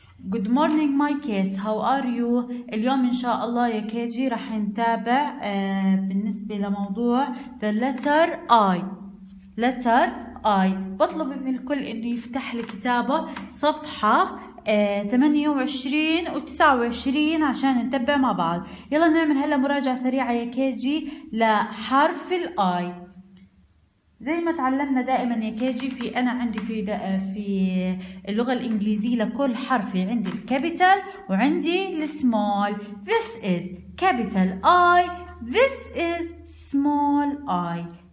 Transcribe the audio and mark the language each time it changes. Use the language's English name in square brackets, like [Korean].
[English] Good morning my kids, how are you? [Arabic] اليوم إن شاء الله يا كيجي رح نتابع بالنسبة لموضوع [English] the letter I. Letter I. [Arabic] بطلب من الكل إنه يفتح الكتابة صفحة 28 و29 عشان نتبع مع بعض. يلا نعمل هلا مراجعة سريعة يا كيجي لحرف الـ I. زي ما تعلمنا دائما يا كيجي في انا عندي في اللغه الانجليزيه لكل حرف عندي الكابيتال وعندي السمول. [English] This is capital I, this is small I.